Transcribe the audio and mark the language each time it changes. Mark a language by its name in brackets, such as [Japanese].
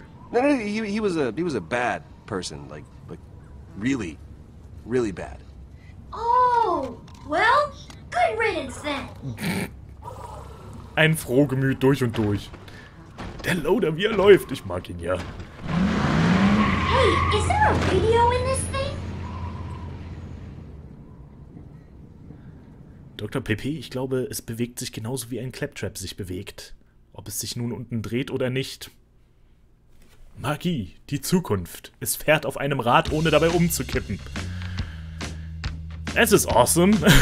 [English] No, he was a bad person, like really, really bad. Oh, well, good riddance then. [German] Ein Frohgemüt durch und durch. Der Loader, wie er läuft, ich mag ihn ja. [English] Hey, is there a radio in this thing? Dr. [German] Pepe, ich glaube, es bewegt sich genauso wie ein Claptrap sich bewegt. Ob es sich nun unten dreht oder nicht. Magie, die Zukunft. Es fährt auf einem Rad, ohne dabei umzukippen. Es ist awesome.